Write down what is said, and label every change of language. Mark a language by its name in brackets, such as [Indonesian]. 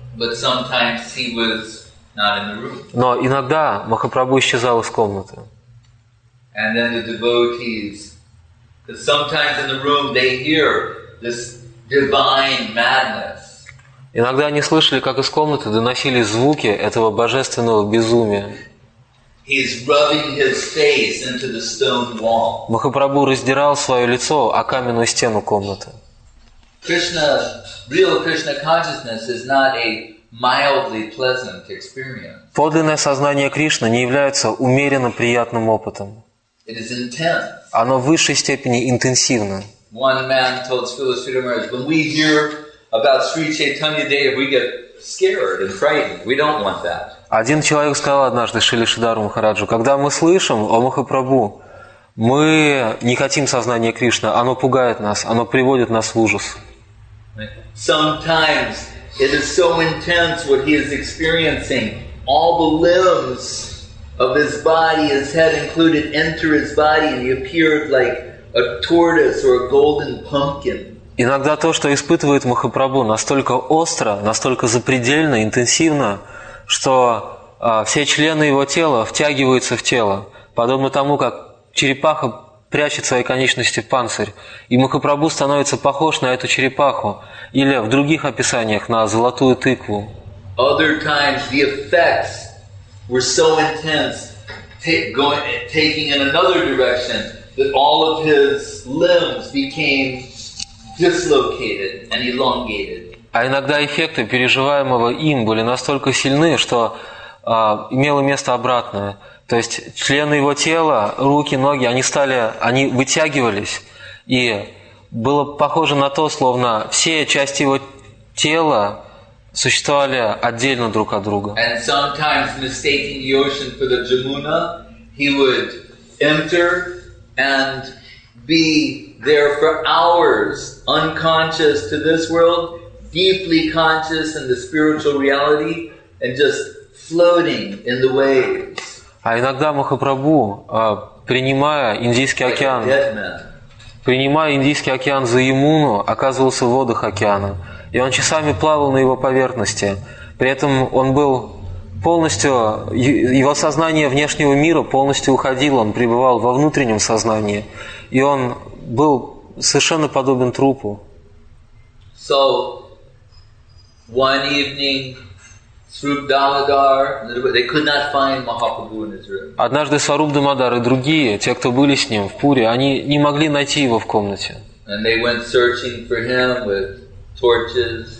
[English] But sometimes he was not in the room. [Russian] Но иногда Махапрабху исчезал из комнаты. [English] And then the devotees, because sometimes in the room they hear this divine madness. [Russian] Иногда они слышали, как из комнаты доносились звуки этого божественного безумия. [English] He's rubbing his face into the stone wall. [Russian] Махапрабху раздирал свое лицо о каменную стену комнаты. [English] Krishna, real Krishna consciousness is not a mildly pleasant experience. [Russian] Подлинное сознание Кришны не является умеренно приятным опытом. [English] It is intense. [Russian] Оно в высшей степени интенсивно. [English] One man told Śrīla Śrīdhara, when we hear about Sri Chaitanya Dev, we get scared and frightened. We don't want that. [Russian] Один человек сказал однажды Шриле Шридхару Махараджу, когда мы слышим о Махапрабху, мы не хотим сознания Кришны, оно пугает нас, оно приводит нас в ужас. [English] Sometimes it is so intense what he is experiencing. All the limbs of his body, his head included, enter his body and he appears like a tortoise or a golden pumpkin. [Russian] Иногда то, что испытывает Махапрабху, настолько остро, настолько запредельно, интенсивно, что все члены его тела втягиваются в тело, подобно тому, как черепаха прячет свои конечности в панцирь, и Махапрабху становится похож на эту черепаху или в других описаниях на золотую тыкву. [English] Other times the effects were so intense, taking in another direction, that all of his limbs became dislocated and elongated. [Russian] А иногда эффекты переживаемого им были настолько сильны, что имело место обратное. То есть члены его тела, руки, ноги, они вытягивались, и было похоже на то, словно все части его тела существовали отдельно друг от друга. And sometimes, mistaking the ocean for the Jamuna, he would enter and be there for hours, unconscious to this world, deeply conscious in the spiritual reality, and just floating in the waves. А иногда Махапрабху, принимая Индийский океан, за Ямуну, оказывался в водах океана. И он часами плавал на его поверхности. При этом он был полностью... Его сознание внешнего мира полностью уходило. Он пребывал во внутреннем сознании. И он был совершенно подобен трупу. [English] So, one evening... They could not find Mahaprabhu in his room. [Russian] Однажды Сваруп Дамодар и другие, те, кто были с ним в Пуре, они не могли найти его в комнате. [English] And they went searching for him with torches.